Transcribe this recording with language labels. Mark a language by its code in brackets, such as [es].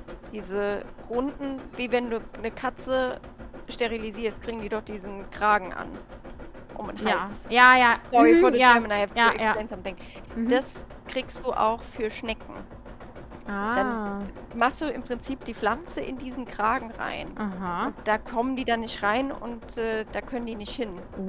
[de] Diese runden, wie wenn du eine Katze sterilisierst, kriegen die doch diesen Kragen an. Um den Hals. Ja, ja. Ja. [en] Sorry for the German, I have to explain something. [de] Mhm. Das kriegst du auch für Schnecken. Ah. Dann machst du im Prinzip die Pflanze in diesen Kragen rein. Aha. Da kommen die dann nicht rein und da können die nicht hin.